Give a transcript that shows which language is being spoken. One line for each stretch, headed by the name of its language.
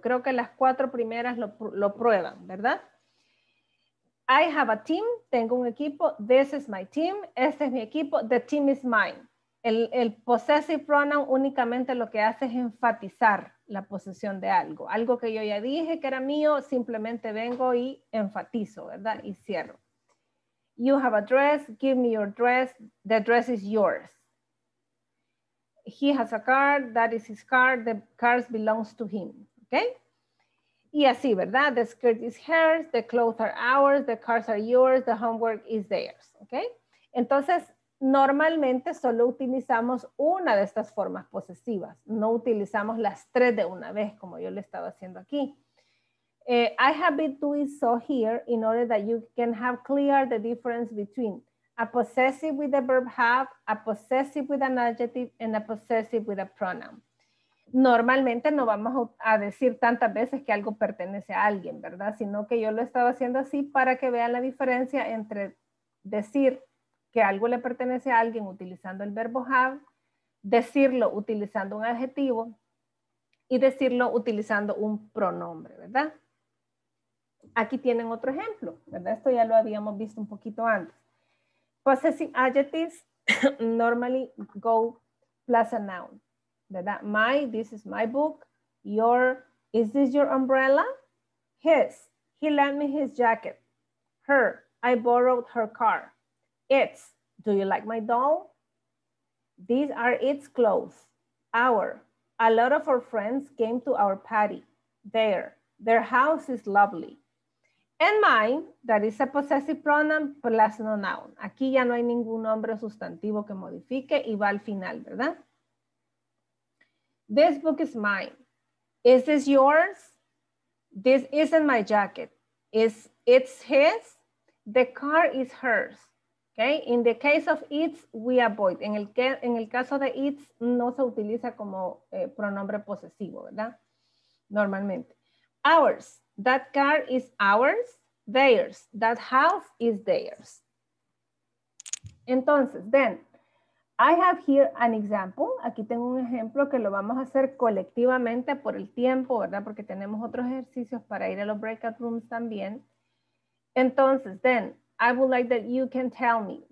Spanish: Creo que las cuatro primeras lo prueban, ¿verdad?
English: I have a team,
Spanish: tengo un equipo,
English: this is my team,
Spanish: este es mi equipo,
English: the team is mine.
Spanish: El possessive pronoun únicamente lo que hace es enfatizar la posesión de algo. Algo que yo ya dije que era mío, simplemente vengo y enfatizo, ¿verdad? Y cierro.
English: You have a dress, give me your dress, the dress is yours. He has a car, that is his car, the car belongs to him, okay?
Spanish: Y así, ¿verdad?
English: The skirt is hers, the clothes are ours, the cars are yours, the homework is theirs, okay?
Spanish: Entonces, normalmente solo utilizamos una de estas formas posesivas, no utilizamos las tres de una vez, como yo le estaba haciendo aquí.
English: I have been doing so here in order that you can have clear the difference between a possessive with the verb have, a possessive with an adjective, and a possessive with a pronoun.
Spanish: Normalmente no vamos a decir tantas veces que algo pertenece a alguien, ¿verdad? Sino que yo lo estaba haciendo así para que vean la diferencia entre decir que algo le pertenece a alguien utilizando el verbo have, decirlo utilizando un adjetivo y decirlo utilizando un pronombre, ¿verdad? Aquí tienen otro ejemplo, ¿verdad? Esto ya lo habíamos visto un poquito antes.
English: Possessive adjectives normally go plus a noun, ¿verdad? My, this is my book. Your, is this your umbrella? His, he lent me his jacket. Her, I borrowed her car. It's, do you like my doll? These are its clothes. Our, a lot of our friends came to our party. Their house is lovely. And mine, that is a possessive pronoun plus no noun.
Spanish: Aquí ya no hay ningún nombre sustantivo que modifique y va al final, ¿verdad?
English: This book is mine. Is this yours? This isn't my jacket. It's his. The car is hers. Okay? In the case of its, we avoid.
Spanish: En el caso de its, no se utiliza como pronombre posesivo, ¿verdad? Normalmente.
English: Ours. That car is ours, theirs. That house is theirs. Entonces, then, I have here an example.
Spanish: Aquí tengo un ejemplo que lo vamos a hacer colectivamente por el tiempo, ¿verdad? Porque tenemos otros ejercicios para ir a los breakout rooms también.
English: Entonces, then, I would like that you can tell me.